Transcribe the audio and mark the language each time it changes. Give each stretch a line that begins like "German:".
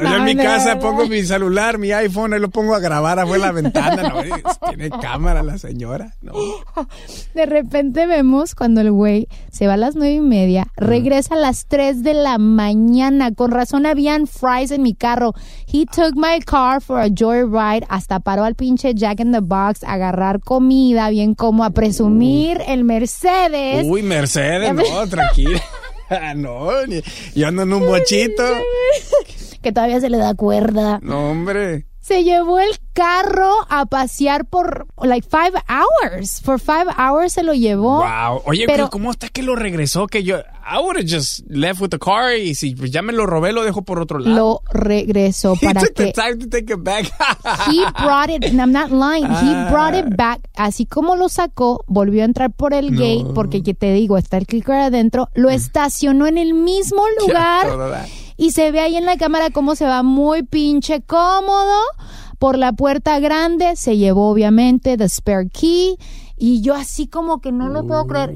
Spanish: Yo en mi casa pongo mi celular, mi iPhone, y lo pongo a grabar afuera de la ventana. ¿No? Tiene cámara la señora. No. De repente vemos cuando el güey se va a las 9:30, regresa a las 3:00 a.m. Con razón habían fries en mi carro.
English: He took my car for a joyride.
Spanish: Hasta paró al pinche Jack in the Box a agarrar comida, bien como a presumir el Mercedes. Uy, Mercedes, no, tranquila. No, yo ando en un bochito. Que todavía se le da cuerda. No, hombre. Se llevó el carro a pasear por,
English: like, 5 hours. For 5 hours
Spanish: se lo llevó.
English: Wow.
Spanish: Oye, pero ¿cómo está que lo regresó? Que yo,
English: I would have just left with the car.
Spanish: Y si ya me lo robé, lo dejo por otro lado. Lo regresó para que...
English: He took the time to take it back. He brought it, and I'm not lying. He brought it back.
Spanish: Así como lo sacó, volvió a entrar por el gate. Porque, que te digo, está el clicker adentro. Lo estacionó en el mismo lugar. Y se ve ahí en la cámara cómo se va muy pinche cómodo por la puerta grande. Se llevó, obviamente,
English: the spare key.
Spanish: Y yo así como que no lo puedo creer.